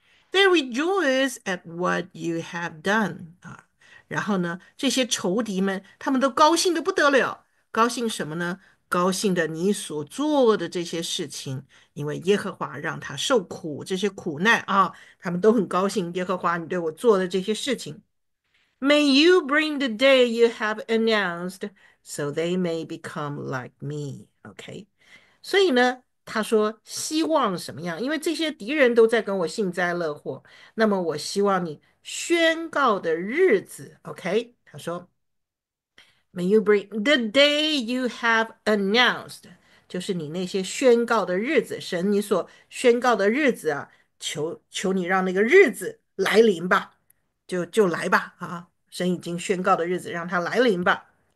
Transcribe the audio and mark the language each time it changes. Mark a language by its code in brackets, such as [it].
[en] They rejoice at what you have done， [zh] 啊，然后呢，这些仇敌们，他们都高兴得不得了，高兴什么呢？高兴的，你所做的这些事情，因为耶和华让他受苦，这些苦难啊，他们都很高兴。耶和华，你对我做的这些事情， [en] May you bring the day you have announced, so they may become like me. [zh] OK，所以呢，他说希望什么样？因为这些敌人都在跟我幸灾乐祸，那么我希望你宣告的日子。 OK，他说。 [en] May you bring the day you have announced， [zh] 就是你那些宣告的日子，神你所宣告的日子啊，求你让那个日子来临吧，就来吧啊，神已经宣告的日子，让它来临吧。